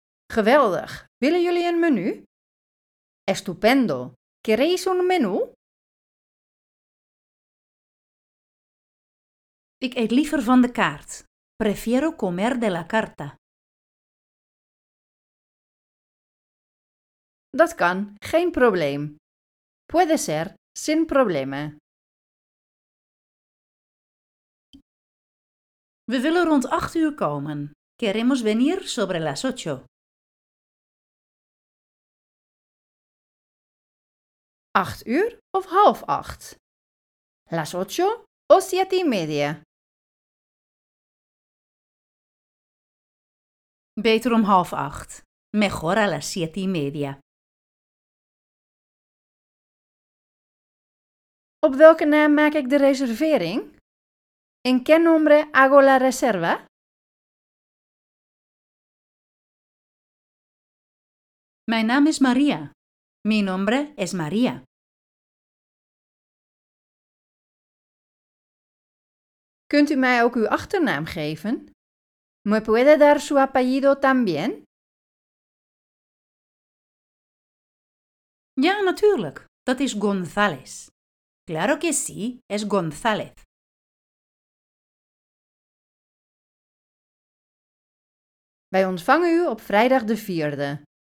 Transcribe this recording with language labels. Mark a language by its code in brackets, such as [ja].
[nl] Geweldig. Willen jullie een menu? [es] Estupendo. ¿Queréis un menú? [nl] Ik eet liever van de kaart. [es] Prefiero comer de la carta. [nl] Dat kan, geen probleem. [es] Puede ser, sin problema. [nl] We willen rond 8 uur komen. [es] Queremos venir sobre las 8. [nl] 8 uur of 7:30? [es] Las 8 o 7:30? [nl] Beter om 7:30. [es] Mejor a las 7:30. [nl] Op welke naam maak ik de reservering? [es] ¿En qué nombre hago la reserva? [nl] Mijn naam is María. [es] Mi nombre es María. [nl] ¿Kunt u mij ook uw achternaam geven? [es] ¿Me puede dar su apellido también? [nl] Ja, natuurlijk. Dat is González. [es] Claro que sí, es González. [nl] Wij ontvangen u op vrijdag de 4e.